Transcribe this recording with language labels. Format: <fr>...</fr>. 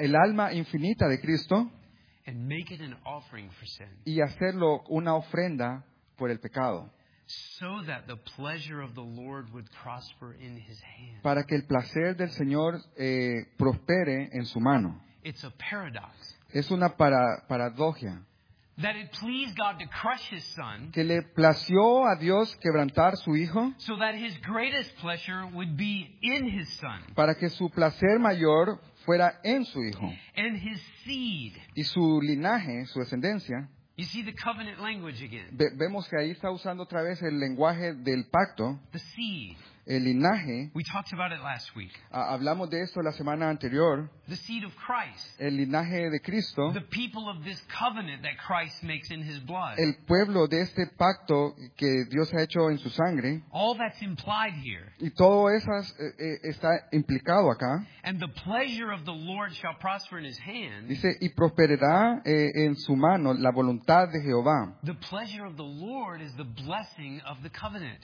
<es>el alma infinita de Cristo.</es> <en>And make it an offering for sin.</en> <es>Y hacerlo una ofrenda por el pecado.</es> <en>So that the pleasure of the Lord would prosper in his hand.</en> <es>Para que el placer del Señor prospere en su mano.</es> <en>It's a paradox.</en> <es>Es una paradoja.</es> <en>That it pleased God to crush his son.</en> <es>Que le plació a Dios quebrantar su hijo.</es> <en>So that his greatest pleasure would be in his son.</en> <es>Para que su placer mayor fuera en su hijo.</es> <en>And his seed.</en> <es>Y su linaje, su descendencia.</es> <en>You see the covenant language again.</en> <es>Vemos que ahí está usando otra vez el lenguaje del pacto.</es> <en>The seed.</en> <es>El linaje.</es> <en>We talked about it last week.</en> <es>Hablamos de esto la semana anterior.</es> <en>The seed of Christ.</en> <es>El linaje de Cristo.</es> <en>The people of this covenant that Christ makes in his blood.</en> <es>El pueblo de este pacto que Dios ha hecho en su sangre.</es> <en>All that's implied here.</en> <es>Y todo eso está implicado acá.</es> <en>And the pleasure of the Lord shall prosper in his hand.</en> <es>Dice, y prosperará en su mano la voluntad de Jehová.</es> <en>The pleasure of the Lord is the blessing of the covenant.</en>